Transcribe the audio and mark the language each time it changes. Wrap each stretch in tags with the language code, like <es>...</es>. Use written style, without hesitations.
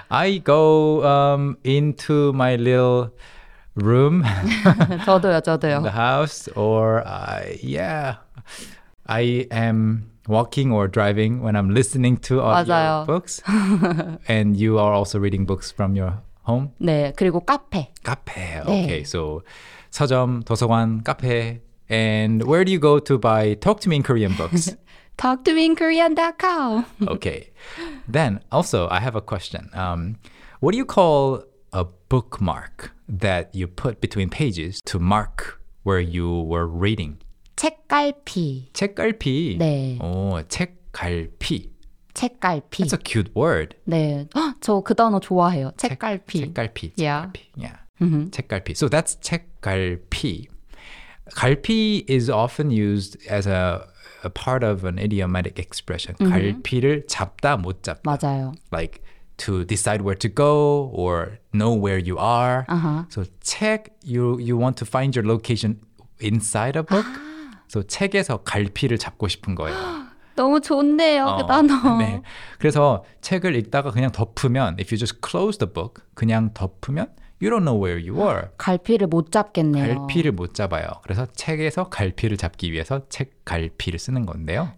<en>I go into my little room.</en> <ko>저도요, 저도요.</ko> <en>In the house or, I am walking or driving when I'm listening to audio books. And you are also reading books from your home?</en> <ko>네, 그리고 카페. 카페, okay. 네. So, 서점, 도서관, 카페.</ko> <en>And where do you go to buy Talk to Me in Korean books? TalkToMeInKorean.com. Okay. Then, also, I have a question. What do you call a bookmark that you put between pages to mark where you were reading?</en> <ko>책갈피. 책갈피. 네. 오, 책갈피. 책갈피.</ko> <en>That's a cute word.</en> <ko>네. 저 그 단어 좋아해요. 책갈피. 책갈피.</ko> <en>Yeah. 책갈피. Yeah. 책갈피. So that's 책갈피. 갈피 is often used as a part of an idiomatic expression.</en> <ko>갈피를 잡다 못 잡다. 맞아요.</ko> <en>Like to decide where to go or know where you are. So 책, you want to find your location inside a book.</en> <ko>아. So 책에서 갈피를 잡고 싶은 거예요. 너무 좋네요, 그 단어. 네. 그래서 책을 읽다가 그냥 덮으면, if you just close the book, 그냥 덮으면 you don't know where you are. 갈피를 못 잡겠네요. 갈피를 못 잡아요. 그래서 책에서 갈피를 잡기 위해서 책갈피를 쓰는 건데요.</ko>